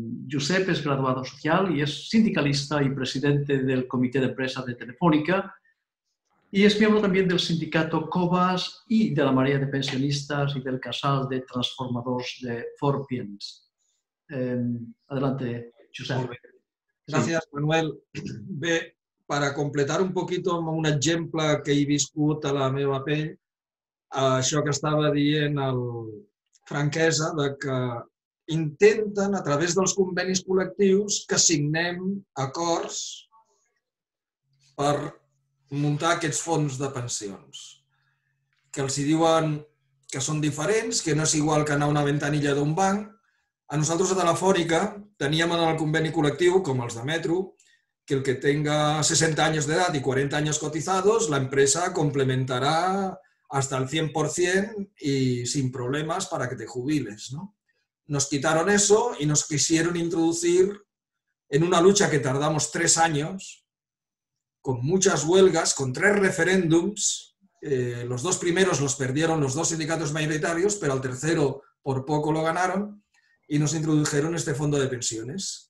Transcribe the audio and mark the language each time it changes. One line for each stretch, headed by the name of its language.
Spanish: Josep es graduado social y es sindicalista y presidente del Comité de Empresa de Telefónica y es miembro también del sindicato COBAS y de la Marea de Pensionistas y del Casal de Transformadores de Forpiens. Adelante, Josep.
Catalan: Gràcies, Manuel. Bé, per a completar un poquit amb un exemple que he viscut a la meva pell, això que estava dient el Franquesa, de que intenten, a través dels convenis col·lectius, que signem acords per muntar aquests fons de pensions. Que els diuen que són diferents, que no és igual que anar a una ventanilla d'un banc. A nosaltres, a Telefònica, teníem en el conveni col·lectiu, com els de Metro, que el que tenga 60 anys d'edat i 40 anys cotitzats, l'empresa complementarà
Spanish: hasta el 100%
Catalan: i
Spanish: sin problemes para que te jubiles,
Catalan: ¿no?
Spanish: Nos quitaron eso y nos quisieron introducir en una lucha que tardamos 3 años, con muchas huelgas, con 3 referéndums. Los 2 primeros los perdieron los 2 sindicatos mayoritarios, pero al tercero por poco lo ganaron y nos introdujeron este fondo de pensiones.